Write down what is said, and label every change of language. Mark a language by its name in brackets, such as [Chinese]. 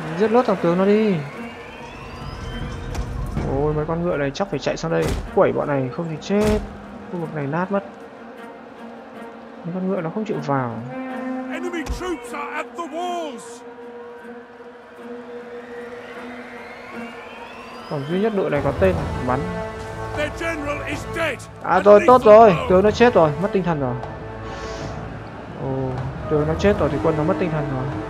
[Vietnamese] Lốt thằng tướng nó đi. Ôi mấy con ngựa này chắc phải chạy sang đây. Quẩy bọn này không thì chết. Khu vực này nát mất. Mấy con ngựa nó không chịu vào. [English] Enemy troops are at the walls. [Vietnamese] Còn duy nhất đội này có tên bắn. [English] Their general is dead. [Vietnamese] À rồi tốt rồi. Tướng nó chết rồi. Mất tinh thần rồi. Ồ, tướng nó chết rồi thì quân nó mất tinh thần rồi.